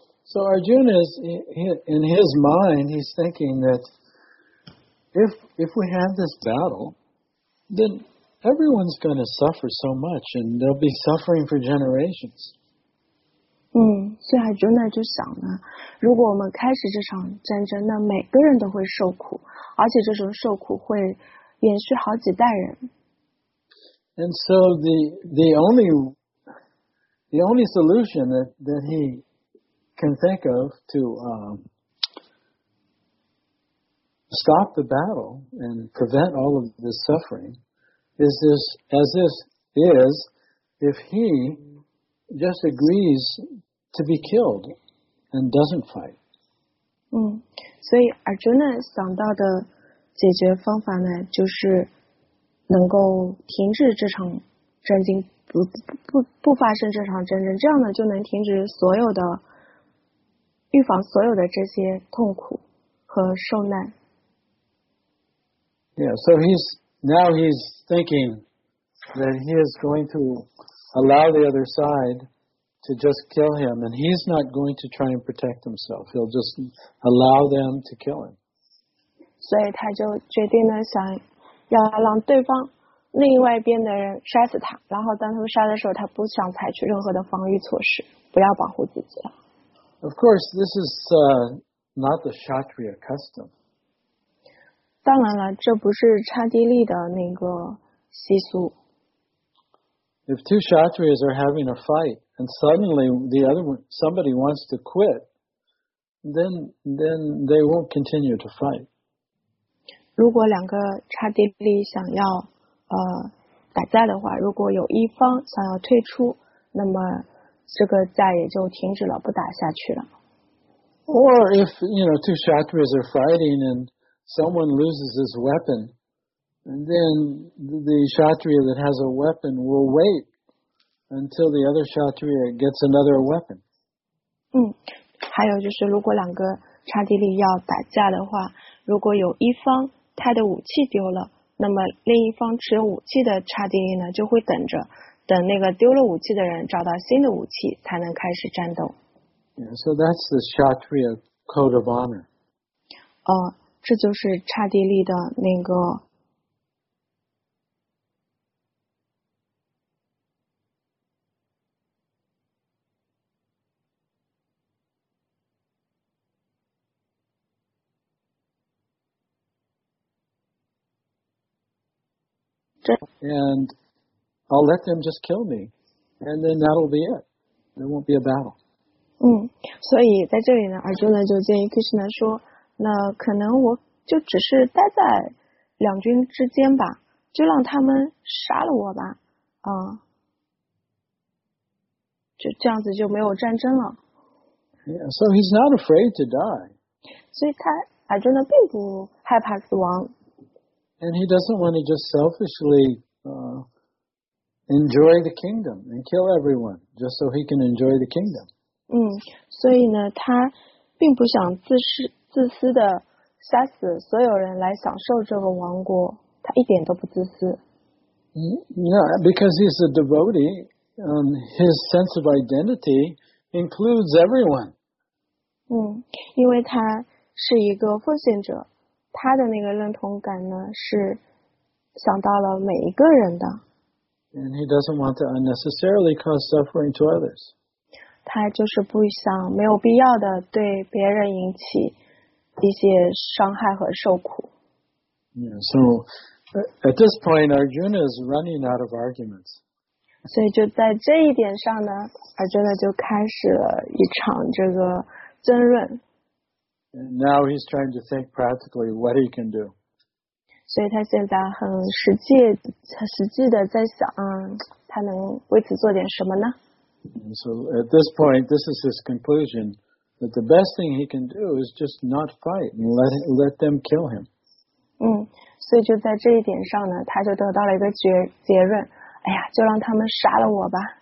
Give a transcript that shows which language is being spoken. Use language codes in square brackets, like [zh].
[en] So Arjuna is in his mind, he's thinking that if we have this battle, then everyone's going to suffer so much, and they'll be suffering for generations. [zh] 所以 Arjuna 就想呢，如果我们开始这场战争，那每个人都会受苦，而且这种受苦会延续好几代人。 [en] And so the only solution that he can think of to stop the battle and prevent all of this suffering is if he just agrees to be killed and doesn't fight. [zh] 所以 Arjuna 想到的解决方法呢，就是能够停止这场战争，不发生这场战争，这样呢就能停止所有的预防所有的这些痛苦和受难。 [en] Yeah, so he's thinking that he is going to allow the other side to just kill him, and he's not going to try and protect himself. He'll just allow them to kill him. [zh] 所以他就决定了想要让对方另外一边的人杀死他，然后当他们杀的时候，他不想采取任何的防御措施，不要保护自己了。 [en] Of course, this is not the Kshatriya custom. [zh] 当然了，这不是刹帝利的那个习俗。 [en] If two Kshatriyas are having a fight and suddenly the other one, somebody wants to quit, then they won't continue to fight. [zh] 如果两个刹帝利想要打架的话，如果有一方想要退出，那么这个架也就停止了，不打下去了。 [en] Or if you know two Kshatriyas are fighting and someone loses his weapon, then the Kshatriya that has a weapon will wait until the other Kshatriya gets another weapon. [zh] 还有就是如果两个刹帝利要打架的话，如果有一方他的武器丢了，那么另一方持有武器的刹帝利呢，就会等着。等那个丢了武器的人找到新的武器，才能开始战斗。 [en] Yeah, so that's the Kshatriya code of honor. [zh] 这就是刹帝利的那个 [en] And I'll let them just kill me, and then that'll be it. There won't be a battle. [zh] 所以在这里呢，Arjuna就建议 Krishna 说，那可能我就只是待在两军之间吧，就让他们杀了我吧，就这样子就没有战争了。 [en] Yeah, so he's not afraid to die. [zh] 所以他Arjuna并不害怕死亡。 [en] And he doesn't want to just selfishly, enjoy the kingdom and kill everyone just so he can enjoy the kingdom. [zh] 所以呢他并不想自私的杀死所有人来享受这个王国，他一点都不自私。 [en] Yeah, because he's a devotee, his sense of identity includes everyone. [zh] 因为他是一个奉献者，他的那个认同感呢是想到了每一个人的。 [en] And he doesn't want to unnecessarily cause suffering to others. [zh] 他就是不想没有必要的对别人引起一些伤害和受苦。 [en] Yeah, so at this point, Arjuna is running out of arguments. [zh] 所以就在这一点上呢， Arjuna 就开始了一场这个争论。 [en] And now he's trying to think practically what he can do. [zh] 所以他现在很实际的在想，他能为此做点什么呢？ [en] And so at this point, this is his conclusion that the best thing he can do is just not fight and let them kill him. [zh] 所以就在这一点上呢，他就得到了一个结论，哎呀，就让他们杀了我吧。